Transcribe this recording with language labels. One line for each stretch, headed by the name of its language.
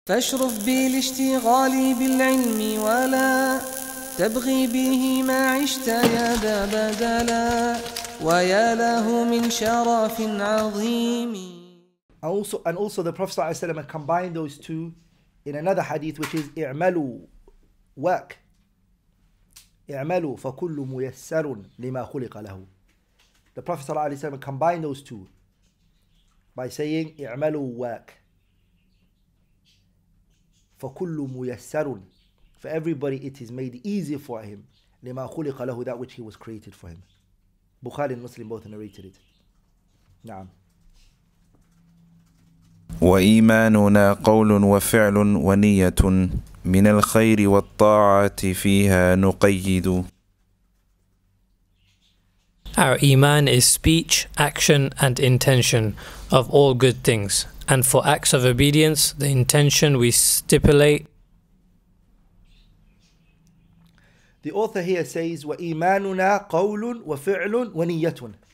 Arabic: فاشرف بي لاشتغالي بالعلم ولا تبغي به ما عشت يا ذا بدلا ويا له من شرف عظيم.
English: And also the Prophet ﷺ combined those two in another hadith, which is
Arabic: اعملوا,
English: work.
Arabic: اعملوا فكل ميسر لما خلق له.
English: The Prophet ﷺ combined those two by saying
Arabic: اعملوا
English: work.
Arabic: فكل ميسر.
English: For everybody it is made easy for him.
Arabic: لما خلق له,
English: that which he was created for him. Bukhari and Muslim both narrated it.
Arabic: نعم. وإيماننا قول وفعل ونية من الخير والطاعة فيها نقيد.
English: Our iman is speech, action and intention of all good things. And for acts of obedience, the intention we stipulate. The author here says,
Arabic: وَإِيمَانُنَا قَوْلٌ وَفِعْلٌ وَنِيَّةٌ.